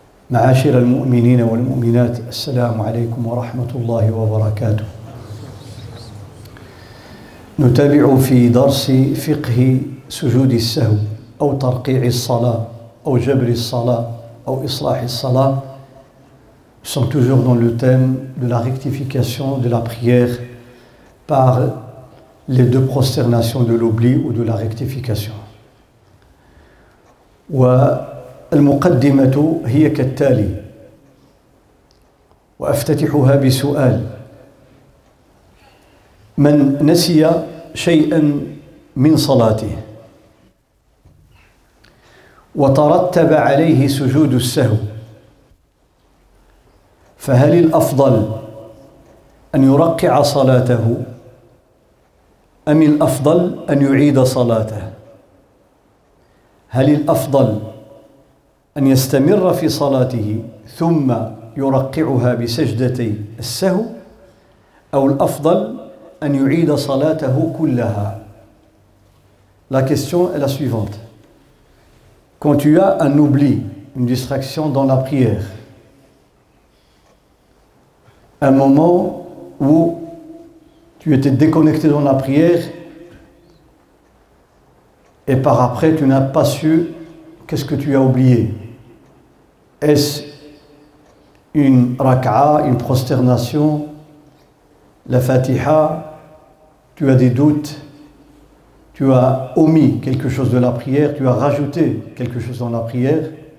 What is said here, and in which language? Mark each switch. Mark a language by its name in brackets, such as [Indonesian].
[Arabic] معاشر المؤمنين والمؤمنات، السلام عليكم ورحمة الله وبركاته. نتابع في درس فقه سجود السهو أو ترقيع الصلاة أو جبر الصلاة أو إصلاح الصلاة. [French] Nous sommes toujours dans le thème de la rectification de la prière par les deux prosternations de l'oubli ou de la rectification. [Arabic] والمقدمة هي كالتالي، وأفتتحها بسؤال: من نسي شيئا من صلاته وترتب عليه سجود السهو، فهل الأفضل أن يرقع صلاته أم الأفضل أن يعيد صلاته؟ هل الأفضل أن يستمر في صلاته ثم يرقعها بسجدتي السهو، أو الأفضل أن يعيد صلاته كلها؟ [French] La question est la suivante. Quand tu as un oubli, une distraction dans la prière, un moment où tu étais déconnecté dans la prière et par après tu n'as pas su qu'est-ce que tu as oublié, est-ce une raka'a, une prosternation, la fatiha, tu as des doutes, tu as omis quelque chose de la prière, tu as rajouté quelque chose dans la prière,